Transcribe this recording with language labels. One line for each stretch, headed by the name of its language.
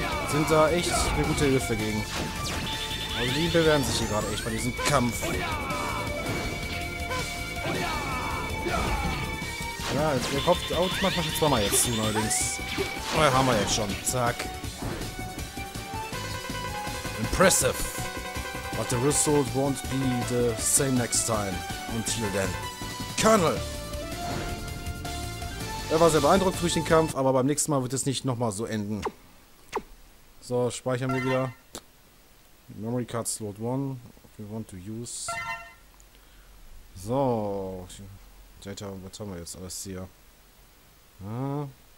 German: Sind da echt eine gute Hilfe gegen. Also die bewähren sich hier gerade echt bei diesem Kampf. Ja, der Kopf auch manchmal schon zweimal jetzt zu, neuerdings. Oh ja, haben wir jetzt schon. Zack.
English: Impressive. But the result won't be the same next time. Until then. Colonel!
German: Er war sehr beeindruckt durch den Kampf, aber beim nächsten Mal wird es nicht nochmal so enden. So, speichern wir wieder.
English: Memory Card Slot 1, if we want to use.
German: So, Data, was haben wir jetzt alles hier? Ja.